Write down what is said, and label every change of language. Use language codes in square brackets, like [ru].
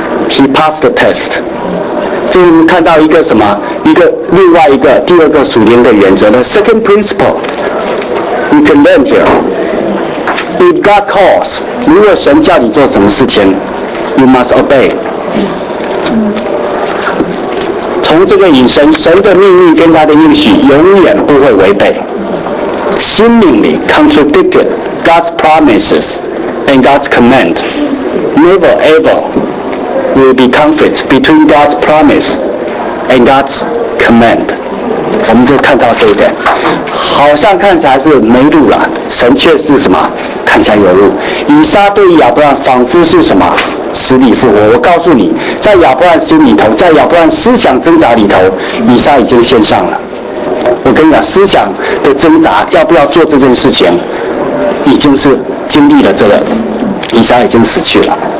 [en] He passed the test。 [zh] 这里我们看到一个什么，一个另外一个第二个属灵的原则， [en] The second principle you can learn here. If God calls， [zh] 如果神叫你做什么事情， [en] You must obey。 [zh] 从这个引申，神的命令跟他的应许永远不会违背。 [en] Seemingly contradicted God's promises and God's command never ever will be conflict between God's promise and God's command。 [zh] 我们就看到这一点，好像看起来是没路了，神却是什么，看起来有路。以撒对亚伯拉罕仿佛是什么，死里复活。我告诉你，在亚伯拉罕心里头，在亚伯拉罕思想挣扎里头，以撒已经献上了。我跟你讲，思想的挣扎要不要做这件事情，已经是经历了这个，以撒已经死去了。